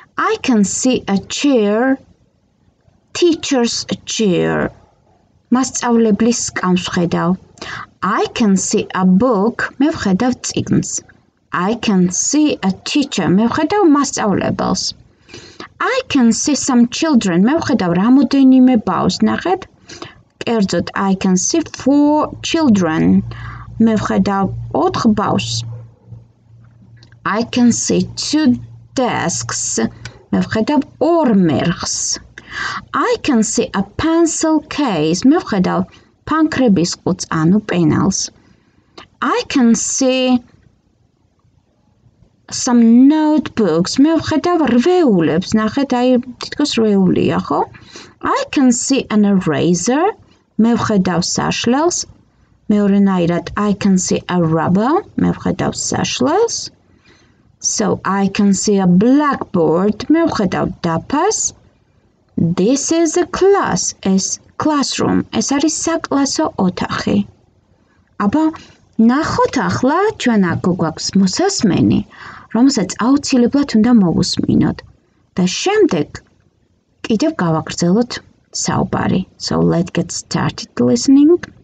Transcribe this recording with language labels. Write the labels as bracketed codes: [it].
[en] I can see a chair, teacher's chair. [ka] მასწავლებლის სკამს ვხედავ. [en] I can see a book. [ka] მე ვხედავ წიგნს. [en] I can see a teacher. [ka] მე ვხედავ მასწავლებელს. [en] I can see some children. [ka] მე ვხედავ რამოდენიმე ბავშვს. ნახეთ. კერძოდ, [en] I can see four children. [ka] მე ვხედავ 4 ბავშვს. [en] I can see two desks. [ka] მე ვხედავ ორ მერხს. [en] I can see a pencil case. [ka] მე ვხედავ ფანქრების ყუთს, ანუ პენალს. [en] I can see some notebooks. [ka] მე ვხედავ რვეულებს. ნახეთ, აი თითქოს რვეულია, ხო? [en] I can see an eraser. [ka] მე ვხედავ საშლელს. მეორენაირად, [en] I can see a rubber. [ka] მე ვხედავ საშლელს. [en] So I can see a blackboard. [ka] მე ვხედავ დაფას. [en] This is a class. [ka] ეს classroom. ეს არის საკლასო ოთახი. აბა, ნახოთ ახლა ჩვენ აქ გვაქვს მოსასმენი, რომელსაც აუცილებლად უნდა მოусმინოთ. და შემდეგ კიდევ გავაგრძელოთ საუბარი. [en] So let's get started listening.